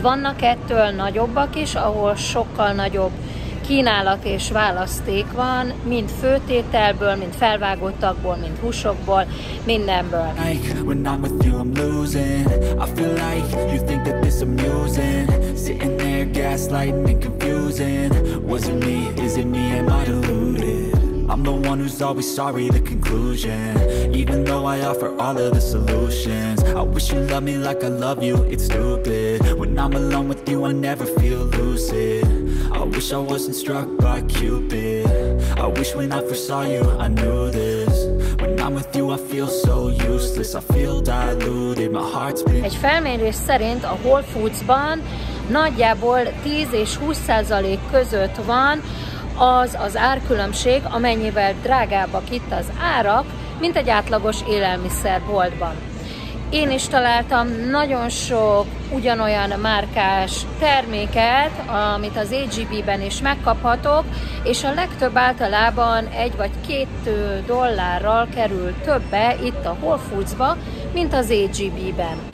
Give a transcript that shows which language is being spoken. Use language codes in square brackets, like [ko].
[hu] Vannak ettől nagyobbak is, ahol sokkal nagyobb kínálat és választék van, mind főtételből, mind felvágottakból, mind húsokból, mindenből. [en] I'm the one who's always sorry, the conclusion. Even though I offer all of the solutions. I wish you loved me like I love you, it's stupid. When I'm alone with you, I never feel lucid. I wish I wasn't struck by Cupid. I wish when I first saw you, I knew this. When I'm with you, I feel so useless. I feel diluted, my heart's been... [hu] Egy felmérés szerint a Whole Foods-ban nagyjából 10-20% között van az az árkülönbség, amennyivel drágábbak itt az árak, mint egy átlagos élelmiszerboltban. Én is találtam nagyon sok ugyanolyan márkás terméket, amit az AGB-ben is megkaphatok, és a legtöbb általában $1 vagy $2 kerül többe itt a Whole Foods-ba, mint az AGB-ben.